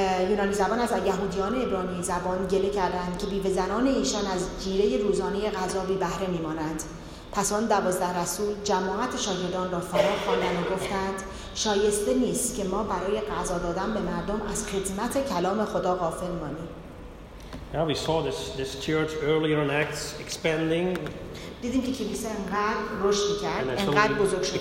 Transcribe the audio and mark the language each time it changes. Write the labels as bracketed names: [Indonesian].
[Persian] یونانی زبان از یهودیان عبرانی زبان گله کردند که بیوه زنان ایشان از جیره روزانه غذا بی بهره میمانند. پس آن 12 رسول جماعت شاگردان را فرا خواندند و گفتند شایسته نیست که ما برای غذا دادن به مردم از خدمت کلام خدا غافل مانیم. [English] Now we saw this church earlier in Acts expanding. [Persian] دیدیم که کلیسا انقدر رشد کرد، انقدر بزرگ شد